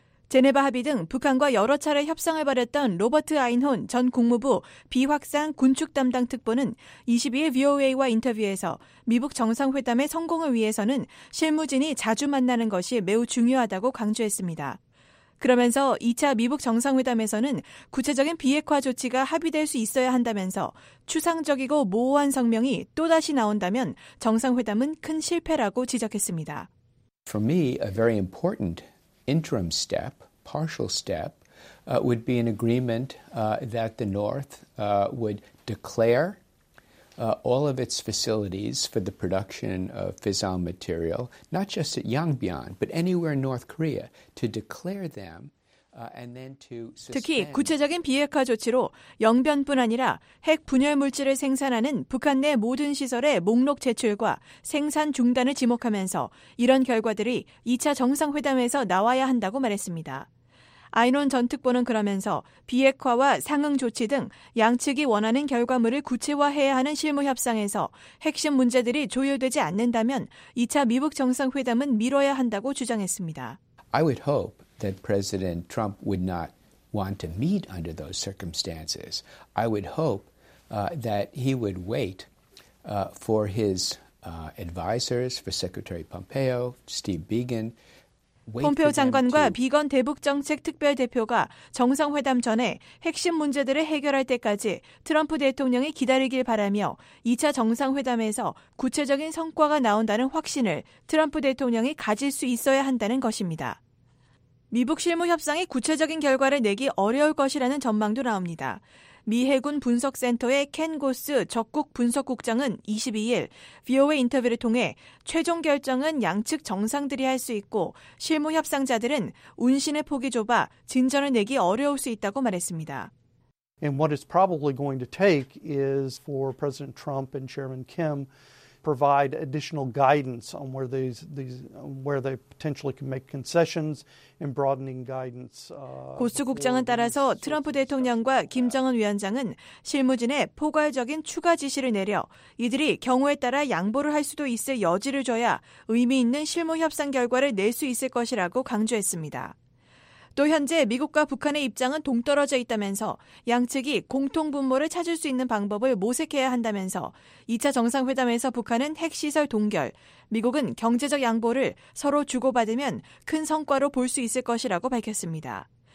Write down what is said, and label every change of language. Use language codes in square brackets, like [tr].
[ko] 제네바 합의 등 북한과 여러 차례 협상을 벌였던 로버트 아인혼 전 국무부 비확산 군축 담당 특보는 22일 VOA와 인터뷰에서 미북 정상회담의 성공을 위해서는 실무진이 자주 만나는 것이 매우 중요하다고 강조했습니다. 그러면서 2차 미북 정상회담에서는 구체적인 비핵화 조치가 합의될 수 있어야 한다면서 추상적이고 모호한 성명이 또다시 나온다면 정상회담은 큰 실패라고 지적했습니다. [en] For me, a very important interim step, partial step, would be an agreement that the North would declare all of its facilities for the production of fissile material, not just at Yongbyon, but anywhere in North Korea, to declare them and then to suspend. [ko] 특히 구체적인 비핵화 조치로 영변뿐 아니라 핵 분열 물질을 생산하는 북한 내 모든 시설의 목록 제출과 생산 중단을 지목하면서 이런 결과들이 2차 정상회담에서 나와야 한다고 말했습니다. 아인혼 전 특보는 그러면서 비핵화와 상응 조치 등 양측이 원하는 결과물을 구체화해야 하는 실무 협상에서 핵심 문제들이 조율되지 않는다면 2차 미북 정상회담은 미뤄야 한다고 주장했습니다. [en] I would hope that President Trump would not want to meet under those circumstances. I would hope that he would wait for his advisors, for Secretary Pompeo, Steve Biegun. [ko] 폼페오 장관과 비건 대북정책특별대표가 정상회담 전에 핵심 문제들을 해결할 때까지 트럼프 대통령이 기다리길 바라며 2차 정상회담에서 구체적인 성과가 나온다는 확신을 트럼프 대통령이 가질 수 있어야 한다는 것입니다. 미북 실무 협상이 구체적인 결과를 내기 어려울 것이라는 전망도 나옵니다. 미 해군 분석센터의 켄 고스 적국 분석국장은 22일 VOA 인터뷰를 통해 최종 결정은 양측 정상들이 할 수 있고 실무 협상자들은 운신의 폭이 좁아 진전을 내기 어려울 수 있다고 말했습니다. [en] And what it's probably going to take is for President Trump and Chairman Kim provide additional guidance on where where they potentially can make concessions and broadening guidance. [ko] 고스 국장은 따라서 트럼프 대통령과 김정은 위원장은 실무진에 포괄적인 추가 지시를 내려 이들이 경우에 따라 양보를 할 수도 있을 여지를 줘야 의미 있는 실무 협상 결과를 낼 수 있을 것이라고 강조했습니다. 또 현재 미국과 북한의 입장은 동떨어져 있다면서 양측이 공통 분모를 찾을 수 있는 방법을 모색해야 한다면서 2차 정상회담에서 북한은 핵시설 동결, 미국은 경제적 양보를 서로 주고받으면 큰 성과로 볼 수 있을 것이라고 밝혔습니다.